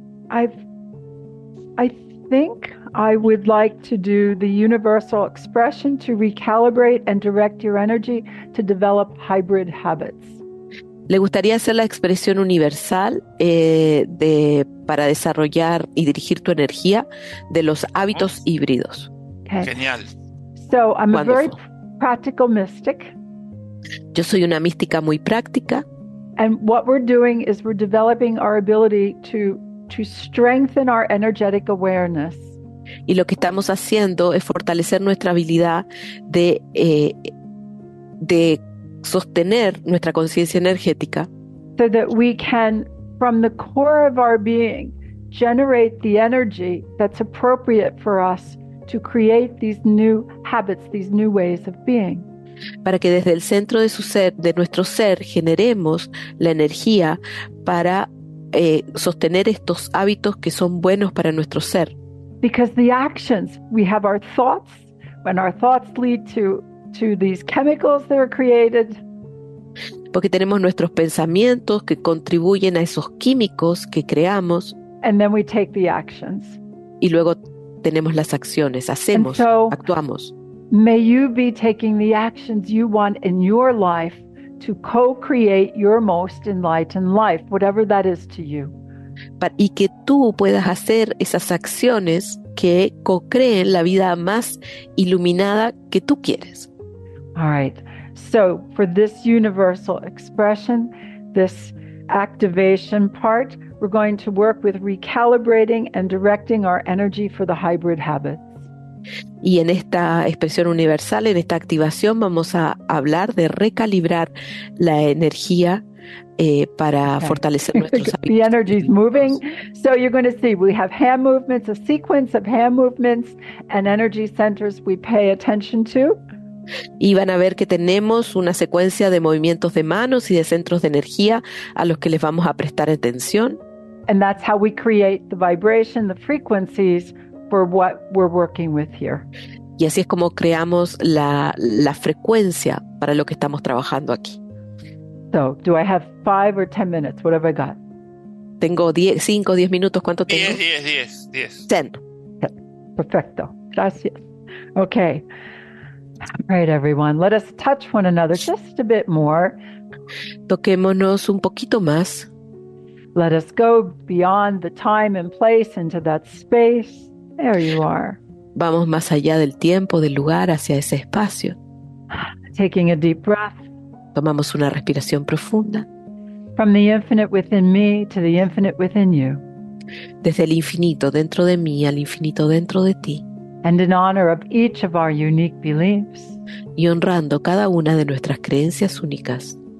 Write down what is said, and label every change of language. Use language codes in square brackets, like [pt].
[en] I think I would like to do the universal expression to recalibrate and direct your energy to develop hybrid habits. [es] ¿Le gustaría hacer la expresión universal para desarrollar y dirigir tu energía de los hábitos híbridos? [en] Okay. [es] Genial. [en] So I'm a very Wonderful. practical mystic. [es] Yo soy una mística muy práctica. [en] And what we're doing is we're developing our ability to strengthen our energetic awareness. [es] Y lo que estamos haciendo es fortalecer nuestra habilidad de sostener nuestra conciencia energética [en] So that we can, from the core of our being, generate the energy that's appropriate for us to create these new habits, these new ways of being. [es] para que desde el centro de su ser, de nuestro ser, generemos la energía para sostener estos hábitos que son buenos para nuestro ser. [en] Because the actions, we have our thoughts, when our thoughts lead to these chemicals that are created. [es] Porque tenemos nuestros pensamientos que contribuyen a esos químicos que creamos. [en] And then we take the actions. [es] Y luego tenemos las acciones, hacemos, [en] and so, [es] actuamos. [en] May you be taking the actions you want in your life to co-create your most enlightened life, whatever that is to you. [es] Y que tú puedas hacer esas acciones que co-creen la vida más iluminada que tú quieres. [en] All right. So, for this universal expression, this activation part, we're going to work with recalibrating and directing our energy for the hybrid habit. [es] Y en esta expresión universal, en esta activación, vamos a hablar de recalibrar la energía para okay. fortalecer nuestros hábitos. [en] The energy is moving. So you're going to see we have hand movements, a sequence of hand movements and energy centers we pay attention to. [es] Y van a ver que tenemos una secuencia de movimientos de manos y de centros de energía a los que les vamos a prestar atención. [en] And that's how we create the vibration, the frequencies for what we're working with here. [es] Y así es como creamos la frecuencia para lo que estamos trabajando aquí. [en] So, do I have 5 or 10 minutes? What have I got? [es] Tengo 5 o 10 minutos. ¿Cuánto tengo? [en] 10. [es] Perfecto. Gracias. [en] Okay. All right, everyone. Let us touch one another just a bit more. [es] Toquémonos un poquito más. [en] Let us go beyond the time and place into that space. There you are. [es] Vamos más allá del tiempo, del lugar, hacia ese espacio. [en] Taking a deep breath. [es] Tomamos una respiración profunda. [en] From the infinite within me to the infinite within you. [es] Desde el infinito dentro de mí al infinito dentro de ti. [en] And in honor of each of our unique beliefs. [es] Y honrando cada una de nuestras creencias únicas.